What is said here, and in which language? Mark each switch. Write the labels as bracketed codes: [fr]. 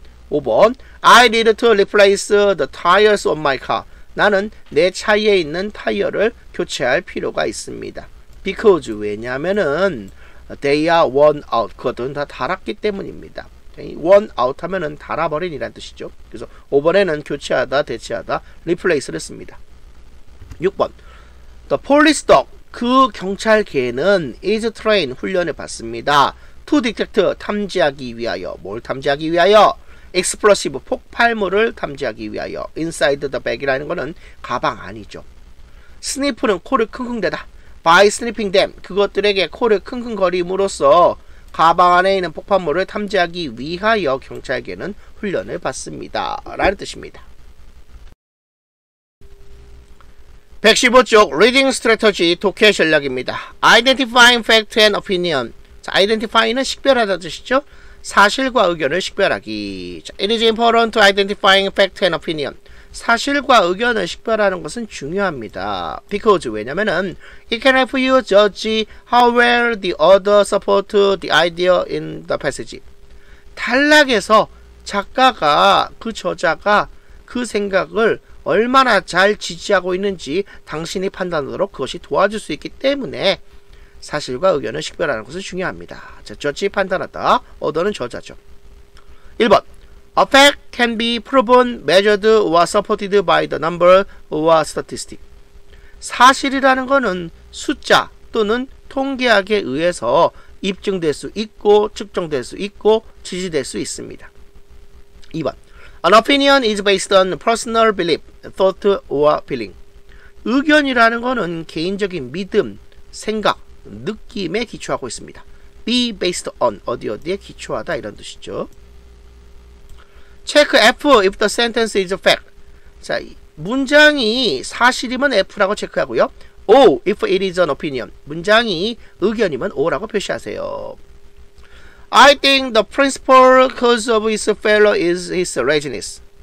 [ko] 5번, [en] I need to replace the tires on my car. [ko] 나는 내 차에 있는 타이어를 교체할 필요가 있습니다. [en] Because [ko] 왜냐하면은 [en] They are worn out. [ko] 그것은 다 닳았기 때문입니다. worn out 하면은 닳아버린 이란 뜻이죠. 그래서 5번에는 교체하다, 대체하다, replace를 씁니다. 6번. [en] The police dog. [ko] 그 경찰 개는 [en] is trained, [ko] 훈련을 받습니다. [en] To detect, [ko] 탐지하기 위하여. 뭘 탐지하기 위하여? Explosive, 폭발물을 탐지하기 위하여. [en] Inside the bag [ko] 이라는 거는 가방 아니죠. Sniff는 코를 킁킁대다. [en] By sniffing them, [ko] 그것들에게 코를 킁킁거림으로써 가방 안에 있는 폭발물을 탐지하기 위하여 경찰에게는 훈련을 받습니다. 라는 뜻입니다. 115쪽 Reading Strategy 독해 전략입니다. [en] Identifying fact and opinion. [ko] 자, identifying은 식별하다는 뜻이죠. 사실과 의견을 식별하기. [en] 자, It is important to identifying fact and opinion. [ko] 사실과 의견을 식별하는 것은 중요합니다. [en] Because [ko] 왜냐면은 [en] It can help you judge how well the other support the idea in the passage. [ko] 단락에서 작가가 그 저자가 그 생각을 얼마나 잘 지지하고 있는지 당신이 판단하도록 그것이 도와줄 수 있기 때문에 사실과 의견을 식별하는 것은 중요합니다. 자, 저지 판단하다. 어더는 저자죠. 1번. [en] A fact can be proven, measured, or supported by the number or statistic. [ko] 사실이라는 것은 숫자 또는 통계학에 의해서 입증될 수 있고 측정될 수 있고 지지될 수 있습니다. 2번. [en] An opinion is based on personal belief, thought, or feeling. [ko] 의견이라는 것은 개인적인 믿음, 생각, 느낌에 기초하고 있습니다. [en] Be based on [ko] 어디 어디에 기초하다 이런 뜻이죠. [en] Check F if the sentence is a fact. [ko] 자, 문장이 사실이면 F라고 체크하고요. [en] O if it is an opinion. [ko] 문장이 의견이면 O라고 표시하세요. [en] I think the principal cause of his failure is his laziness.